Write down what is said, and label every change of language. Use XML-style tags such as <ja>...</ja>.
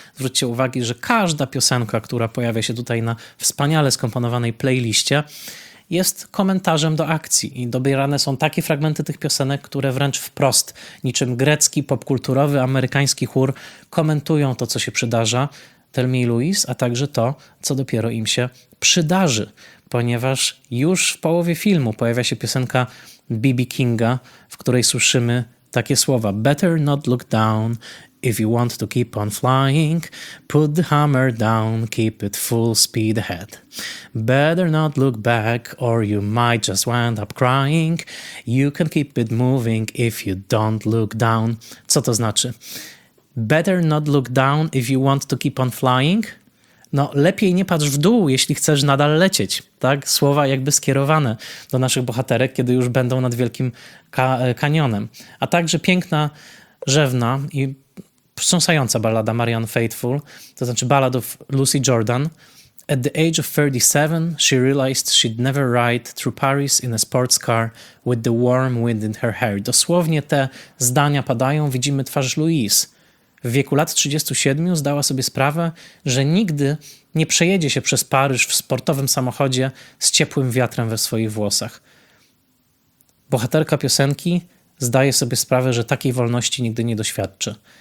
<pl>Zwróćcie uwagę, że każda piosenka, która pojawia się tutaj na wspaniale skomponowanej playliście, jest komentarzem do akcji i dobierane są takie fragmenty tych piosenek, które wręcz wprost, niczym grecki, popkulturowy, amerykański chór, komentują to, co się przydarza Thelmie i Louise, a także to, co dopiero im się przydarzy, ponieważ już w połowie filmu pojawia się piosenka B.B. Kinga, w której słyszymy takie słowa:</pl> <en>"Better not look down. If you want to keep on flying, put the hammer down, keep it full speed ahead. Better not look back, or you might just wind up crying. You can keep it moving if you don't look down."</en> <pl>Co to znaczy?</pl> <en>Better not look down if you want to keep on flying.</en> <pl>No, lepiej nie patrz w dół, jeśli chcesz nadal lecieć, tak? Słowa jakby skierowane do naszych bohaterek, kiedy już będą nad Wielkim Kanionem. A także piękna rzewna i wstrząsająca ballada Marianne Faithfull, to znaczy Ballad of Lucy Jordan.</pl> <en>"At the age of 37, she realized she'd never ride through Paris in a sports car with the warm wind in her hair."</en> <pl>Dosłownie te zdania padają, widzimy twarz Louise. W wieku lat 37 zdała sobie sprawę, że nigdy nie przejedzie się przez Paryż w sportowym samochodzie z ciepłym wiatrem we swoich włosach. Bohaterka piosenki zdaje sobie sprawę, że takiej wolności nigdy nie doświadczy.</pl>